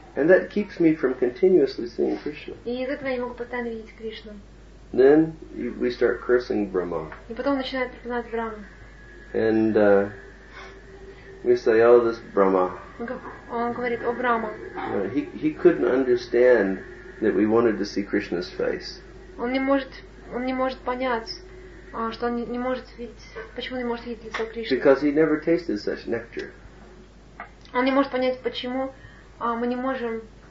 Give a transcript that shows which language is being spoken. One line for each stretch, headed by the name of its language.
English: And that keeps me from continuously seeing Krishna.
Russian: И из-за этого я не могу постоянно видеть Кришну.
English: Then we start cursing Brahma.
Russian: И потом начинает проклинать Брахму.
English: And we say, "Oh, this Brahma."
Russian: Он говорит, о Брахма.
English: He couldn't understand that we wanted to see Krishna's face.
Russian: Он не может понять, что он не может видеть, почему не может видеть лицо Кришны.
English: Because he never tasted such nectar.
Russian: Он не может понять, почему мы не можем.